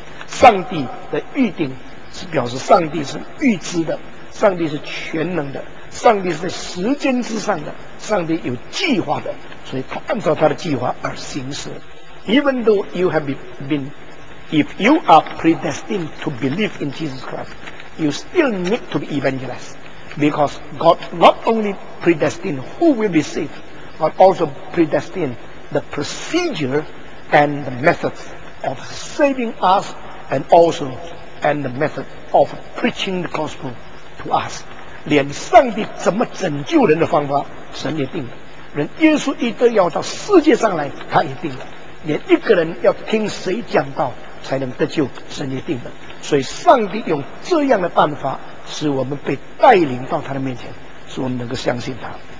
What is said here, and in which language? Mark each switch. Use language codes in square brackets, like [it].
[zh] 上帝的预定是表示上帝是预知的，上帝是全能的，上帝是在时间之上的，上帝有计划的，所以他按照他的计划而行事。 [en] Even though you have been, if you are predestined to believe in Jesus Christ,You still need to be evangelized because God not only predestined who will be saved, but also predestined the procedure and the methods of saving us, and also and the method of preaching the gospel to us. [zh] 连上帝怎么拯救人的方法，神也定了。连耶稣一定要到世界上来，他也定了。连一个人要听谁讲道才能得救，神也定了。所以上帝用这样的办法使我们被带领到他的面前，使我们能够相信他。